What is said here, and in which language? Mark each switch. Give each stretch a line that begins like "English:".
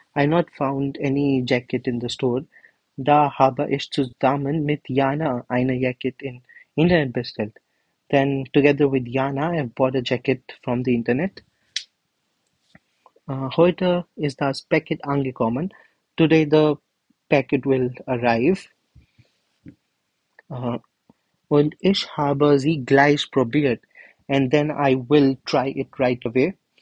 English: I not found any jacket in the store.
German: Da habe ich zusammen mit Jana eine Jacket in Internet bestellt.
English: Then together with Jana, I bought a jacket from the Internet.
German: Heute ist das Paket angekommen.
English: Today the Packet will arrive.
German: Und ich habe sie gleich probiert.
English: And then I will try it right away.